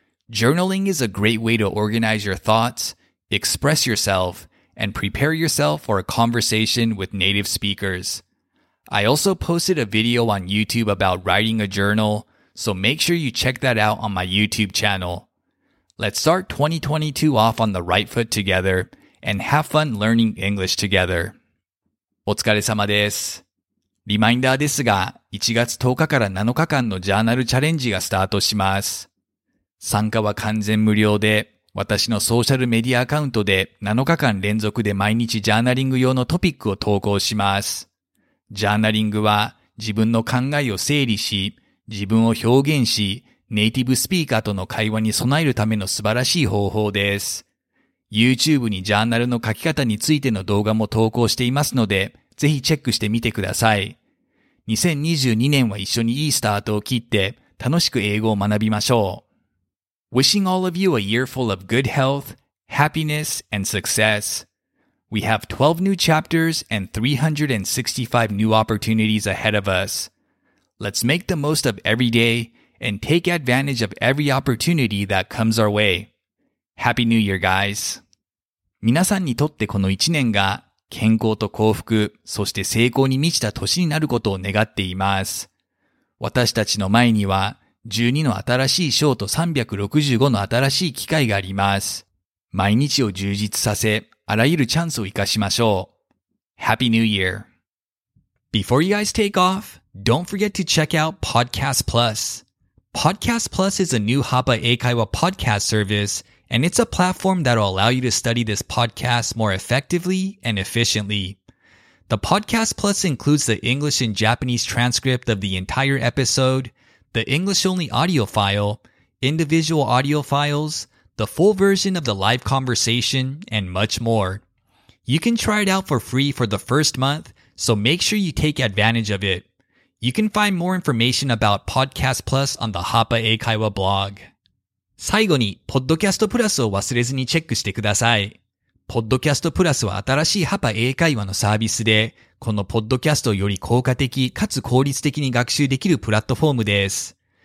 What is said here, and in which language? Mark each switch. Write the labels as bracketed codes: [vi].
[en] Journaling is a great way to organize your thoughts, express yourself, and prepare yourself for a conversation with native speakers. I also posted a video on YouTube about writing a journal, so make sure you check that out on my YouTube channel. Let's start 2022 off on the right foot together and have fun learning English together. [ja] お疲れ様です。リマインダーですが、1月10日から7日間のジャーナルチャレンジがスタートします。参加は完全無料で、私のソーシャルメディアアカウントで7日間連続で毎日ジャーナリング用のトピックを投稿します。ジャーナリングは自分の考えを整理し、自分を表現し、ネイティブスピーカーとの会話に備えるための素晴らしい方法です。 YouTube にジャーナルの書き方についての動画も投稿していますので、ぜひチェックしてみてください。 2022年は一緒にいいスタートを切って、楽しく英語を学びましょう。 [en] Wishing all of you a year full of good health, happiness, and success. We have 12 new chapters and 365 new opportunities ahead of us. Let's make the most of every day, and take advantage of every opportunity that comes our way. Happy New Year, guys! [ja] 皆さんにとってこの1年が健康と幸福、そして成功に満ちた年になることを願っています。私たちの前には12の新しい章と365の新しい機会があります。毎日を充実させ、あらゆるチャンスを生かしましょう。 [en] Happy New Year! Before you guys take off, don't forget to check out Podcast Plus. Podcast Plus is a new Hapa Eikaiwa podcast service, and it's a platform that'll allow you to study this podcast more effectively and efficiently. The Podcast Plus includes the English and Japanese transcript of the entire episode, the English-only audio file, individual audio files, the full version of the live conversation, and much more. You can try it out for free for the first month, so make sure you take advantage of it. You can find more information about Podcast Plus on the Hapa A Kaiwa blog. [ja] 最後に、ポッドキャストプラスを忘れずにチェックしてください。ポッドキャストプラスは新しいハパ英会話のサービスで、このポッドキャストをより効果的かつ効率的に学習できるプラットフォームです。